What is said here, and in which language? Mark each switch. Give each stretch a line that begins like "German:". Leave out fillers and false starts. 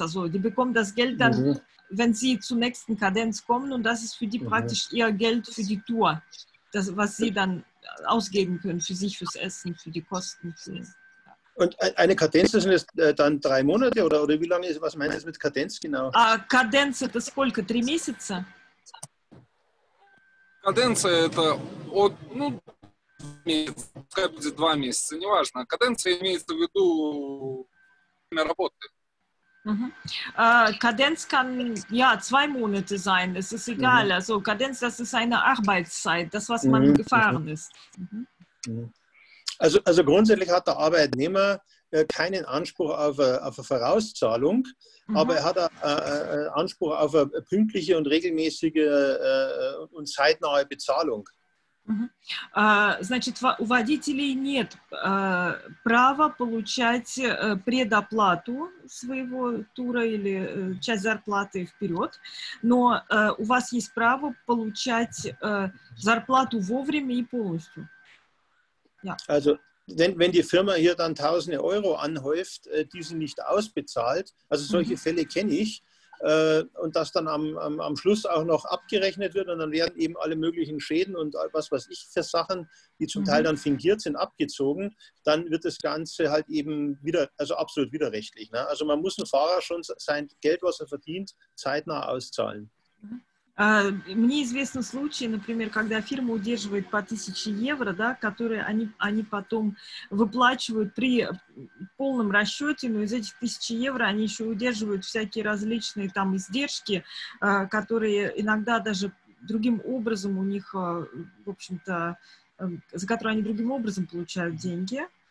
German: Also die bekommen das Geld dann, wenn sie zur nächsten Kadenz kommen, und das ist für die praktisch ihr Geld für die Tour, das, was sie dann ausgeben können für sich, fürs Essen, für die Kosten. Und eine Kadenz, das sind jetzt dann 3 Monate oder wie lange ist, was meinst du mit Kadenz genau? Kadenz, das
Russian: сколько? 3 месяца? Kadenz, это будет 2 месяца, неважно. Kadenz имеется в виду время работы.
German: Kadenz kann ja 2 Monate sein, es ist egal. Mhm. Also Kadenz, das ist eine Arbeitszeit, das, was man gefahren ist. Also grundsätzlich hat der Arbeitnehmer keinen Anspruch auf eine Vorauszahlung, aber er hat einen Anspruch auf eine pünktliche und regelmäßige und zeitnahe Bezahlung.
Russian: Значит, у водителей нет права получать предоплату своего тура или часть зарплаты вперед, но у вас есть право получать зарплату вовремя и полностью.
German: Ja. Also wenn die Firma hier dann tausende Euro anhäuft, die sie nicht ausbezahlt, also solche Fälle kenne ich, und das dann am Schluss auch noch abgerechnet wird und dann werden eben alle möglichen Schäden und was weiß ich für Sachen, die zum Teil dann fingiert sind, abgezogen, dann wird das Ganze halt eben wieder, also absolut widerrechtlich. Ne? Also man muss einem Fahrer schon sein Geld, was er verdient, zeitnah auszahlen.
Russian: Мне известны случаи, например, когда фирма удерживает по 1000 евро, да, которые они потом выплачивают при полном расчете, но из этих 1000 евро они еще удерживают всякие различные там издержки, которые иногда даже другим образом у них, в общем-то, за которые они другим образом получают деньги.